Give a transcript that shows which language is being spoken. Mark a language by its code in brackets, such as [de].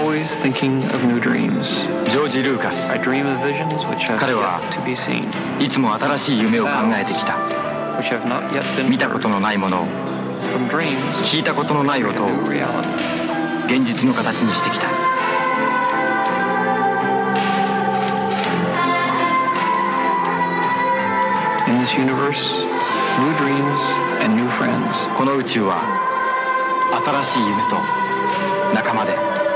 [en] Thinking of new dreams. George Lucas. I dream of visions which have yet to be seen. [ja] いつも新しい夢を考えてきた。 [en] Which have not yet been heard. [ja] 見たことのないものを。 [en] From dreams. [ja] 聞いたことのない音を。現実の形にしてきた。 [en] In this universe, new dreams and new friends. [ja] この宇宙は新しい夢と仲間で。